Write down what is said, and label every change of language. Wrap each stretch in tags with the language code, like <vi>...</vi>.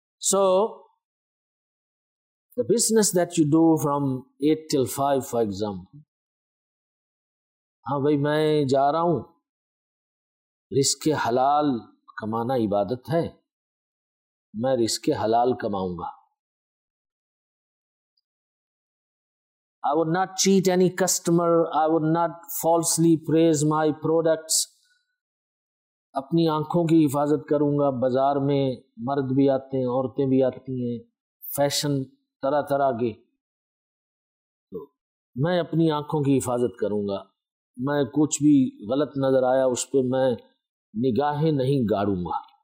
<en>so the business that you do from 8 till 5 for example,</en> <ur>ہاں بھائی میں جا رہا ہوں, رزق حلال کمانا عبادت ہے, میں رزق حلال کماؤں گا.</ur> <en>I would not cheat any customer, I would not falsely praise my products.</en> <ur>اپنی آنکھوں کی حفاظت کروں گا. بازار میں مرد بھی آتے ہیں, عورتیں بھی آتی ہیں, فیشن طرح طرح کے, تو میں اپنی آنکھوں کی حفاظت کروں گا. میں کچھ بھی غلط نظر آیا اس پہ میں نگاہیں نہیں گاڑوں گا.</ur>